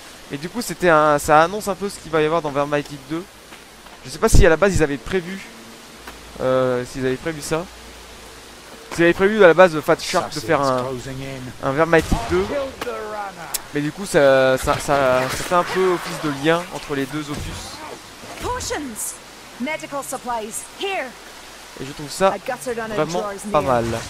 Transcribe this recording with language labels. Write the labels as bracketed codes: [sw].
[fr] Et du coup, c'était un, ça annonce un peu ce qu'il va y avoir dans Vermighty 2. Je sais pas si à la base ils avaient prévu s'ils avaient prévu à la base Fat Shark de faire un Vermighty 2. Mais du coup, ça fait un peu office de lien entre les deux opus. [en] Potions, medical supplies, here. [fr] Et je trouve ça vraiment pas mal.